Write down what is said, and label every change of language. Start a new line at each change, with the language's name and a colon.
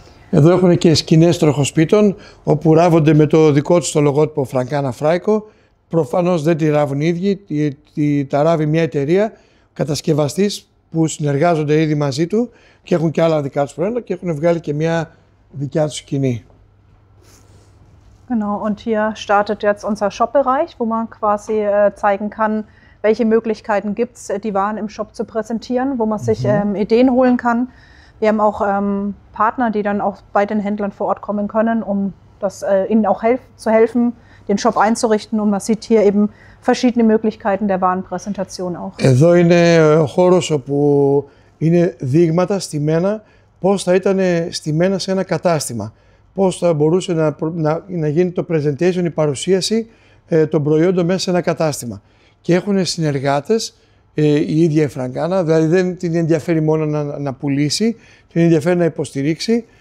Greek: Εδώ έχουν και σκηνές τροχοσπίτων, όπου ράβονται με το δικό τους το λογότυπο Φρανκάνα Φράικο. Προφανώς δεν τη ράβουν οι ίδιοι, τα ράβει μια εταιρεία κατασκευαστής που συνεργάζονται ήδη μαζί του και έχουν και άλλα δικά τους προϊόντα και έχουν βγάλει και μια δικιά τους σκηνή.
German: Genau, und hier startet jetzt unser Shop-Bereich, wo man quasi zeigen kann, welche Möglichkeiten gibt es, die Waren im Shop zu präsentieren, wo man sich Ideen holen kann. Wir haben auch Partner, die dann auch bei den Händlern vor Ort kommen können, um das, ihnen auch zu helfen, den Shop einzurichten. Und man sieht hier eben verschiedene Möglichkeiten der Warenpräsentation auch.
Greek: Εδώ είναι ο χώρος, όπου είναι δείγματα στημένα, πώς θα ήταν στημένα σε ένα κατάστημα. Πώς θα μπορούσε να γίνει το presentation, η παρουσίαση των προϊόντων μέσα σε ένα κατάστημα. Και έχουν συνεργάτες, η ίδια η Φραγκάνα, δηλαδή δεν την ενδιαφέρει μόνο να πουλήσει, την ενδιαφέρει να υποστηρίξει.